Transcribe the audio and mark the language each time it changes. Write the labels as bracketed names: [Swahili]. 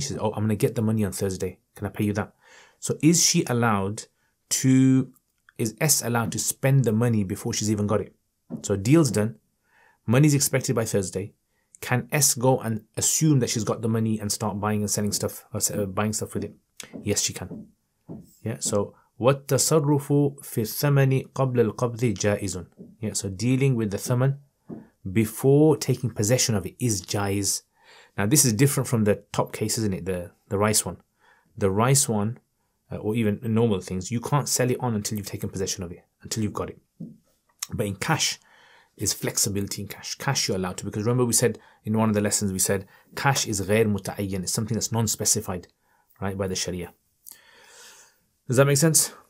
[English] She says, "Oh, I'm gonna get the money on Thursday. Can I pay you that?" So is she allowed to? Is S allowed to spend the money before she's even got it? So deal's done. Money's expected by Thursday. Can S go and assume that she's got the money and start buying and selling stuff, or buying stuff with it? Yes, she can. Yeah, so [Arabic] وَالتَّصَرُّفُ فِي الثَّمَنِ قَبْلَ الْقَبْضِ جَائِزٌ. [English] Yeah, so dealing with the thaman before taking possession of it is jaiz. Now, this is different from the top case, isn't it? The rice one. The rice one, or even normal things, you can't sell it on until you've taken possession of it, until you've got it. But in cash, is flexibility in cash. Cash you're allowed to, because remember we said in one of the lessons, we said cash is [Arabic] غير متعين, [English] it's something that's non-specified, right, by the Sharia. Does that make sense?